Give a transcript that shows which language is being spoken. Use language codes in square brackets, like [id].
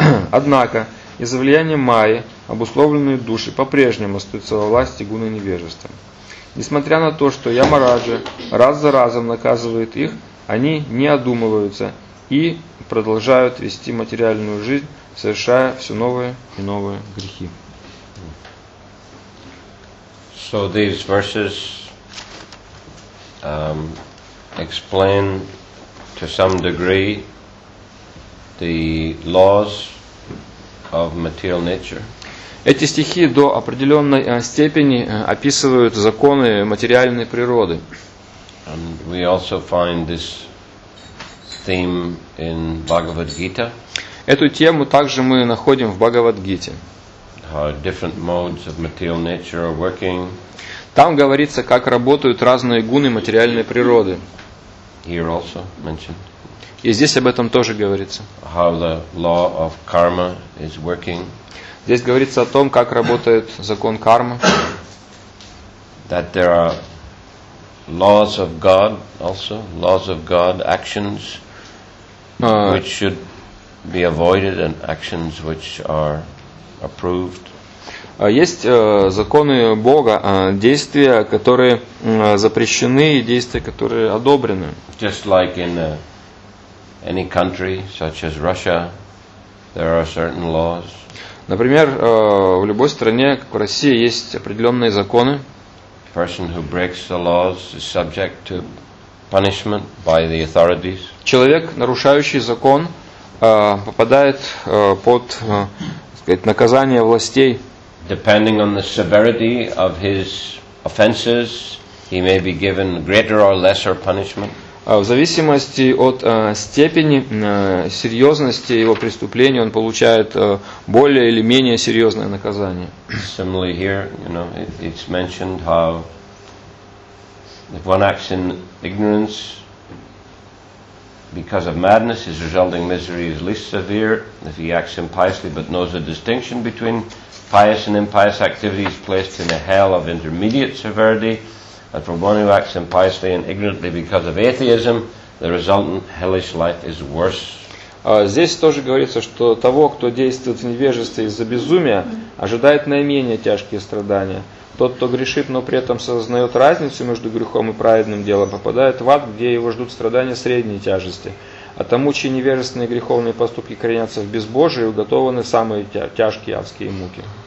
[ru] Однако, из-за влияния майи, обусловленные души по-прежнему остаются во власти гуны невежества. Несмотря на то, что Ямараджа раз за разом наказывает их, они не одумываются и продолжают вести материальную жизнь, совершая все новые и новые грехи. [en] So these verses explain to some degree the laws of material nature. [ru] Эти стихи до определенной степени описывают законы материальной природы. [en] And we also find this theme in Bhagavad Gita. [ru] Эту тему также мы находим в Бхагавадгите. [en] How different modes of material nature are working. [ru] Там говорится, как работают разные гуны материальной природы. [en] Here also mentioned. [ru] И здесь об этом тоже говорится. [en] How the law of karma is working. [ru] Здесь говорится о том, как работает закон кармы. [en] That there are laws of God also, laws of God, actions which should be avoided and actions which are approved. [ru] Есть законы Бога, действия, которые запрещены, и действия, которые одобрены. [en] Just like in any country, such as Russia, there are certain laws. [ru] Например, в любой стране, как в России, есть определенные законы. [en] Person who breaks the laws is subject to punishment by the authorities. [ru] Человек, нарушающий закон, попадает под, так сказать, наказание властей. [en] Depending on the severity of his offenses, he may be given greater or lesser punishment. [ru] В зависимости от степени серьезности его преступления, он получает более или менее серьезное наказание. [en] Similarly here, you know, it's mentioned how if one acts in ignorance because of madness, his resulting misery is least severe. If he acts impiously but knows the distinction between pious and impious activities, placed in a hell of intermediate severity. And for one who acts impiously and ignorantly because of atheism, the resultant hellish life is worse. [ru] Здесь тоже говорится, что того, кто действует в невежестве из-за безумия, ожидает наименее тяжкие страдания. Тот, кто грешит, но при этом сознает разницу между грехом и праведным делом, попадает в ад, где его ждут страдания средней тяжести. А тому, чьи невежественные греховные поступки коренятся в безбожии, уготованы самые тяжкие адские муки.